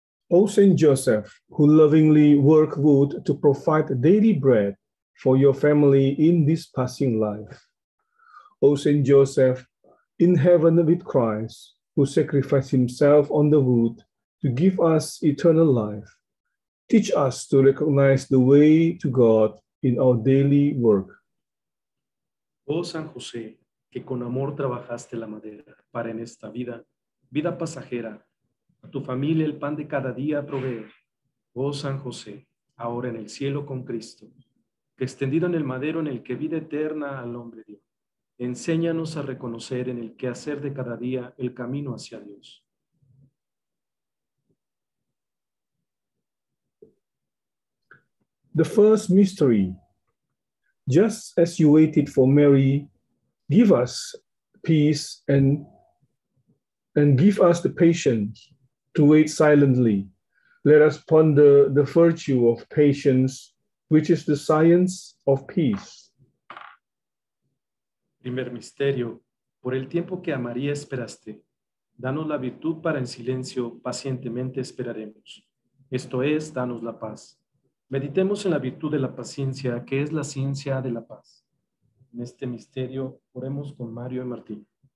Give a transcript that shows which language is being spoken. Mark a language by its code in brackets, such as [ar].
[en] O Saint Joseph, who lovingly work wood to provide daily bread for your family in this passing life. O Saint Joseph, in heaven with Christ, who sacrificed himself on the wood to give us eternal life, teach us to recognize the way to God in our daily work. [es] Oh San José, que con amor trabajaste la madera para en esta vida, vida pasajera, a tu familia el pan de cada día proveer. Oh San José, ahora en el cielo con Cristo, que extendido en el madero en el que vida eterna al hombre dio, enséñanos a reconocer en el quehacer de cada día el camino hacia Dios. [en] The first mystery. Just as you waited for Mary, give us peace and give us the patience to wait silently. Let us ponder the virtue of patience, which is the science of peace. [es] Primer misterio, por el tiempo que a María esperaste, danos la virtud para en silencio pacientemente esperaremos. Esto es, danos la paz. Meditemos en la virtud de la paciencia, que es la ciencia de la paz. En este misterio, oremos con Mario y Martín.